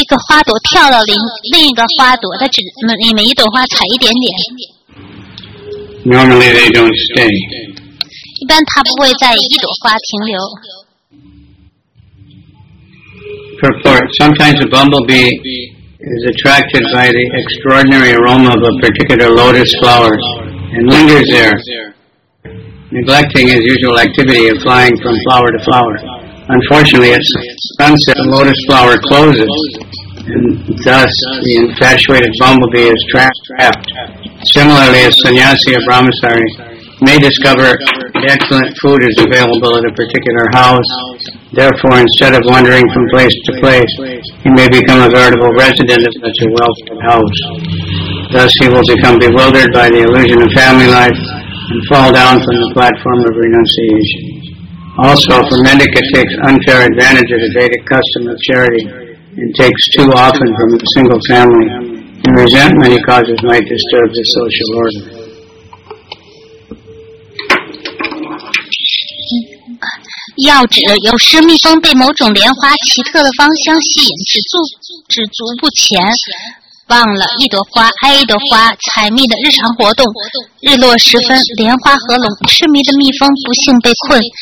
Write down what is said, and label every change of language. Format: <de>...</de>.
<zh>是蜜蜂啊，它从一个花朵跳到另一个花朵， 它只每一朵花采一点点。</zh> <en>Normally they don't stay.</en> <zh>一般它不会在一朵花停留</zh> <en>Purport Sometimes a bumblebee is attracted by the extraordinary aroma of a particular lotus flower and lingers there neglecting his usual activity of flying from flower to flower Unfortunately at sunset the lotus flower closes and thus the infatuated bumblebee is trapped Similarly a sannyasi or brahmachari may discover excellent food is available at a particular house. Therefore, instead of wandering from place to place, he may become a veritable resident of such a wealthy house. Thus, he will become bewildered by the illusion of family life and fall down from the platform of renunciation. Also, if a mendicant takes unfair advantage of the Vedic custom of charity and takes too often from a single family, in resentment, he causes might disturb the social order.</en> <zh>要指有生蜜蜂被某种莲花奇特的芳香吸引，止足不前，忘了一朵花挨一朵花采蜜的日常活动。日落时分，莲花合拢，痴迷的蜜蜂不幸被困。</zh>